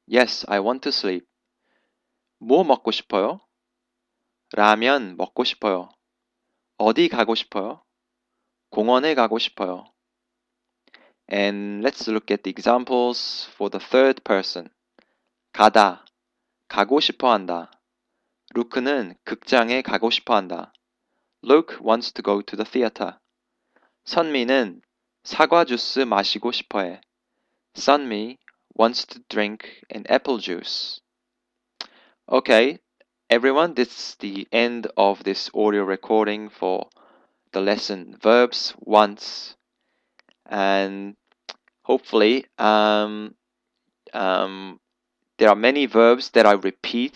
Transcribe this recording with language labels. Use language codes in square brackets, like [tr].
[en] Yes, I want to sleep. [ko] 뭐 먹고 싶어요? 라면 먹고 싶어요. 어디 가고 싶어요? 공원에 가고 싶어요. [en] And let's look at the examples for the third person. [ko] 가다. 가고 싶어 한다. 루크는 극장에 가고 싶어 한다. [en] Luke wants to go to the theater. [ko] 선미는 사과 주스 마시고 싶어 해. [en] Sunmi wants to drink an apple juice. Okay, everyone, this is the end of this audio recording for the lesson Verbs Want. And hopefully there are many verbs that I repeat.